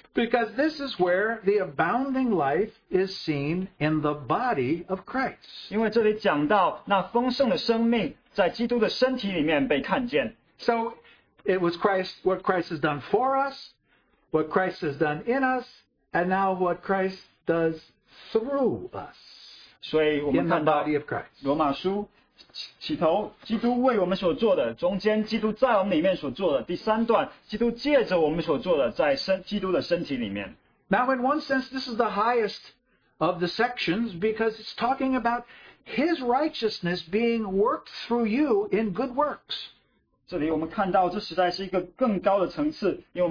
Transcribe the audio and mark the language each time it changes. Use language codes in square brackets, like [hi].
[en] Because this is where the abounding life is seen in the body of Christ. [zh] 因为这里讲到那丰盛的生命在基督的身体里面被看见。 [en] So it was Christ, what Christ has done for us, what Christ has done in us, and now what Christ does through us in the body of Christ. Now in one sense, this is the highest of the sections because it's talking about his righteousness being worked through you in good works. [zh] 这里我们看到这实在是一个更高的层次,